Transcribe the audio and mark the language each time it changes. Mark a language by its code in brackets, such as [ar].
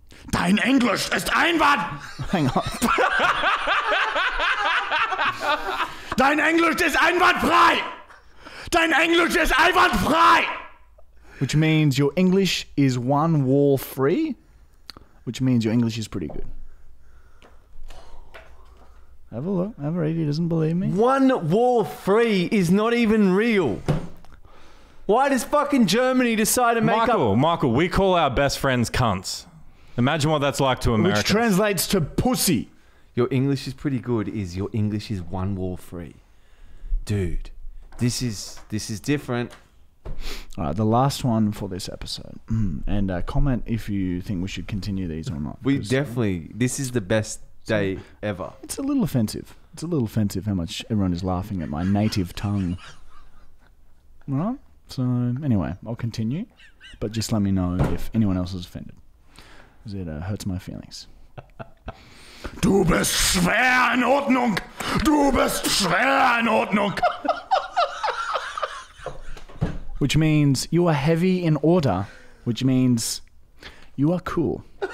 [de] Dein Englisch ist einwand. [en] Hang on. [de] Dein Englisch ist einwandfrei. Dein Englisch ist einwandfrei. [en] Which means your English is one wall free, which means your English is pretty good. Have a look. Have a read. He doesn't believe me. One wall free is not even real. Why does fucking Germany decide to make Michael, up... Michael, we call our best friends cunts. Imagine what that's like to Americans. Which translates to pussy. Your English is pretty good is your English is one wall free. Dude, this is different. All right, the last one for this episode. And comment if you think we should continue these or not. We definitely... This is the best... day ever. It's a little offensive. It's a little offensive how much everyone is laughing at my native tongue. Right? So, anyway, I'll continue. But just let me know if anyone else is offended. Because it hurts my feelings. [de] Du bist schwer in Ordnung! Du bist schwer in Ordnung! [en] Which means you are heavy in order, which means you are cool.